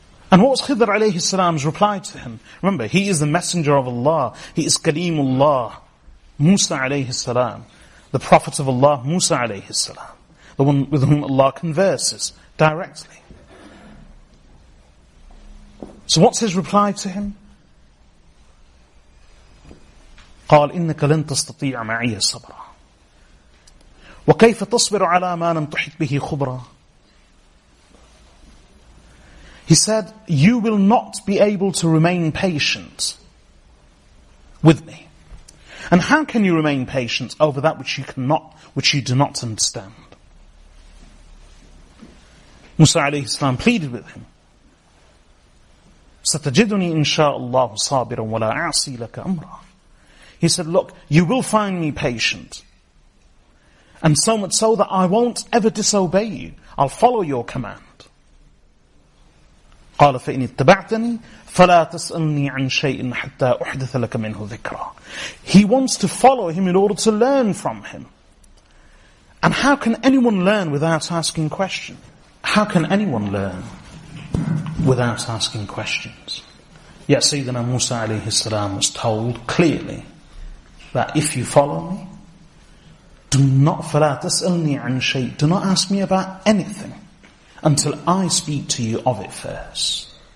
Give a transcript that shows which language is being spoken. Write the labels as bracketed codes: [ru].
[en] And what was Khidr alayhi salam's reply to him? Remember, he is the messenger of Allah. He is Kaleemullah, Musa alayhi salam, the prophet of Allah, Musa alayhi salam, the one with whom Allah converses directly. So what's his reply to him? [ar] قال إنك لن تستطيع معي الصبر وكيف تصبر على ما لم تحط به خبرة. [en] He said, you will not be able to remain patient with me. And how can you remain patient over that which you cannot, which you do not understand? Musa alayhi salam pleaded with him. [ar] ستجدني إن شاء الله صابرا ولا أعصي لك أمرا. [en] He said, look, you will find me patient. And so much so that I won't ever disobey you. I'll follow your command. [ar] قال فإن اتبعتني فلا تسألني عن شيء حتى أحدث لك منه ذكرا. [en] He wants to follow him in order to learn from him. And how can anyone learn without asking questions? How can anyone learn without asking questions? Yet Sayyidina Musa alayhi salam was told clearly that if you follow me, do not ask me about anything until I speak to you of it first.